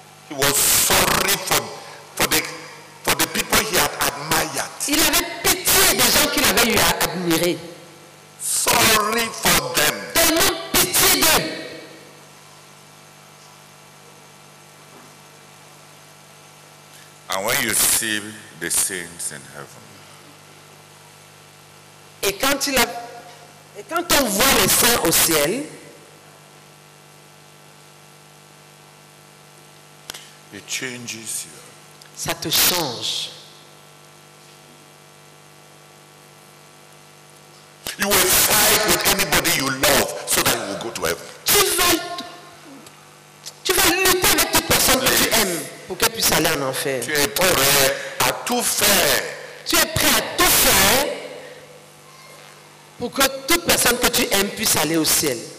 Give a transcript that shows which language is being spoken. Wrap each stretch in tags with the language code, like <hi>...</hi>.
<en>He was sorry for the people he had admired.</en> <fr>Il avait pitié des gens qu'il avait eu à admirer.</fr> <en>Sorry for them.</en> <fr>Tellement pitié d'eux.</fr> <en>And when you see the saints in heaven,</en> <fr>et quand on voit les saints au ciel,</fr> <en>it changes you.</en> <fr>Ça te change.</fr> <en>You will fight with anybody you love so that you will go to heaven.</en> <fr>Tu vas lutter avec toute personne que tu aimes. Pour qu'elle puisse aller en enfer. Tu es prêt à tout faire. Tu es prêt à tout faire pour que toute personne que tu aimes puisse aller au ciel.</fr>